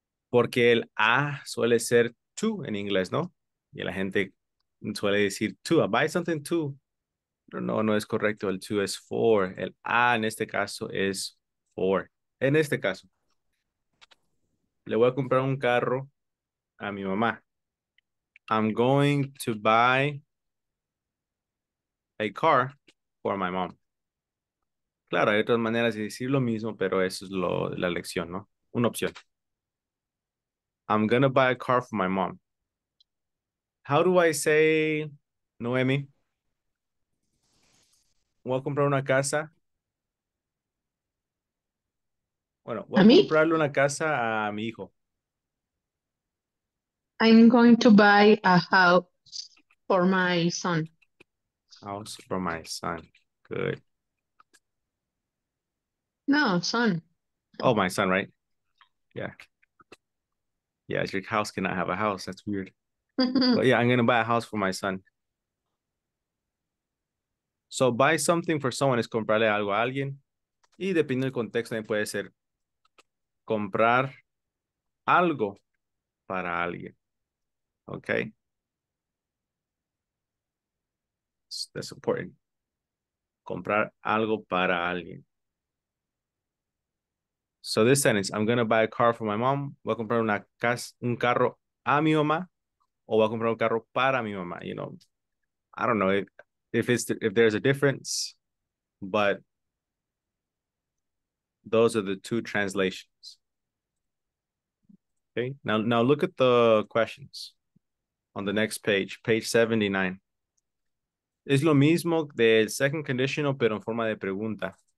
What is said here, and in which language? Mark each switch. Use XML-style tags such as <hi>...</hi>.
<es>Porque el a suele ser to en inglés, ¿no? Y la gente suele decir to,</es> <en>I buy something to.</en> <es>Pero no, no es correcto. El to es for. El a en este caso es for. En este caso. Le voy a comprar un carro a mi mamá.</es> <en>I'm going to buy a car for my mom.</en> <es>Claro, hay otras maneras de decir lo mismo, pero eso es la lección, ¿no? Una opción.</es> <en>I'm going to buy a car for my mom. How do I say, Noemi?</en> <es>Voy a comprar una casa. Bueno, voy a comprarle una casa a mi hijo.</es> <en>I'm going to buy a house for my son. House for my son. Good. No, son. Oh, my son, right? Yeah. Yeah, your house cannot have a house. That's weird. But yeah, I'm going to buy a house for my son. So buy something for someone is</en> <es>comprarle algo a alguien. Y dependiendo del contexto, puede ser comprar algo para alguien.</es> <en>Okay. That's important.</en> <es>Comprar algo para alguien.</es> <en>So this sentence, I'm going to buy a car for my mom.</en> <es>Voy a comprar un carro a mi mamá. O voy a comprar un carro para mi mamá.</es> <en>You know, I don't know if there's a difference, but those are the two translations. Okay, now look at the questions on the next page, page 79.</en> <es>Es lo mismo del second conditional, pero en forma de pregunta.</es>